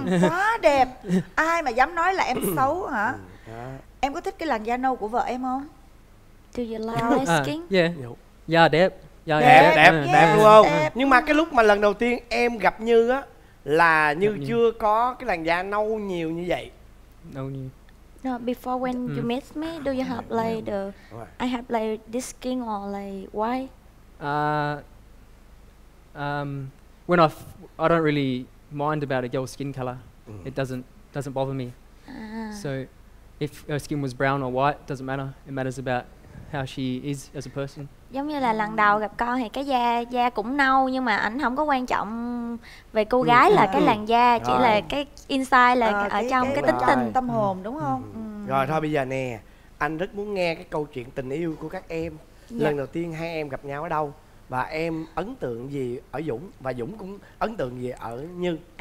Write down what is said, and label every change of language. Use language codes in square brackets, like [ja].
[vi] Quá đẹp. Ai mà dám nói là em xấu hả? Em có thích cái làn da nâu của vợ em không? [en] Do you like skin? [vi] Yeah. Da đẹp. Da đẹp. Yeah. Đẹp luôn không? Đẹp. Nhưng mà cái lúc mà lần đầu tiên em gặp Như á là Như gặp chưa như. Có cái làn da nâu nhiều như vậy. Nâu nhiều. [en] No, before when you meet me, do you have I have like this skin or like why? When I don't really mind about a girl's skin color. It doesn't bother me. So if her skin was brown or white, doesn't matter. It matters about how she is as a person. [vi] Giống như là lần đầu gặp con thì cái da cũng nâu nhưng mà ảnh không có quan trọng về cô gái là cái làn da, chỉ là cái inside là ở trong cái tính tình tâm hồn đúng không? Rồi thôi bây giờ nè, anh rất muốn nghe cái câu chuyện tình yêu của các em. Lần đầu tiên hai em gặp nhau ở đâu? Và em ấn tượng gì ở Dũng và Dũng cũng ấn tượng gì ở Như?